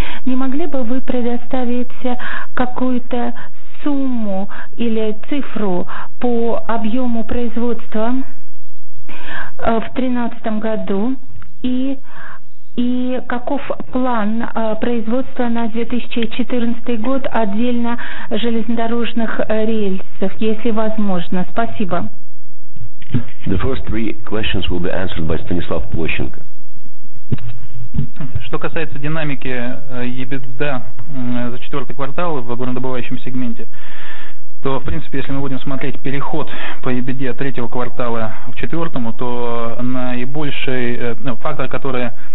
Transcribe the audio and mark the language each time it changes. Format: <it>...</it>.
<ru>Не могли бы вы предоставить какую-то сумму или цифру по объему производства в 2013 году и каков план производства на 2014 год отдельно железнодорожных рельсов, если возможно. Спасибо.</ru> <en>The first three questions will be answered by Stanislav Plushenko.</en> <ru>Что касается динамики EBITDA за четвертый квартал в горнодобывающем сегменте, то, в принципе, если мы будем смотреть переход по EBITDA третьего квартала к четвертому, то наибольший фактор, который</ru>